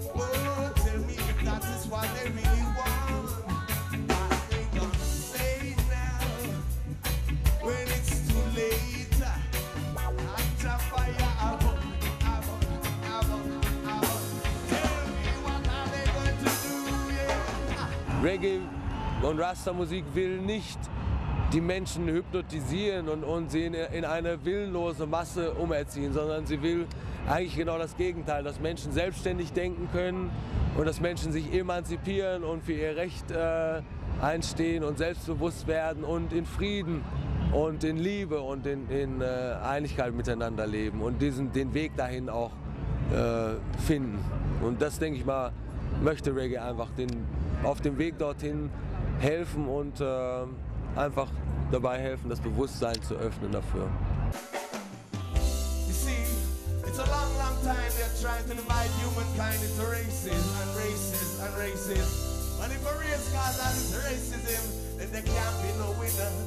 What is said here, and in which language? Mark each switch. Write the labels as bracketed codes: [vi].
[en] Oh, tell me if that is what they really want. What they gonna say now? When it's too late. Light a fire up. Tell me what are they going to do, yeah. [de] Reggae und Rasta-Musik will nicht die Menschen hypnotisieren und sie in eine willenlose Masse umerziehen, sondern sie will eigentlich genau das Gegenteil, dass Menschen selbstständig denken können und dass Menschen sich emanzipieren und für ihr Recht einstehen und selbstbewusst werden und in Frieden und in Liebe und in Einigkeit miteinander leben und den Weg dahin auch finden. Und das, denke ich mal, möchte Reggae einfach auf dem Weg dorthin helfen und einfach dabei helfen, das Bewusstsein zu öffnen dafür. [en] You see, it's a long, long time they're trying to divide humankind into races and races and races. But if a race calls out into racism, then there can't be no winner.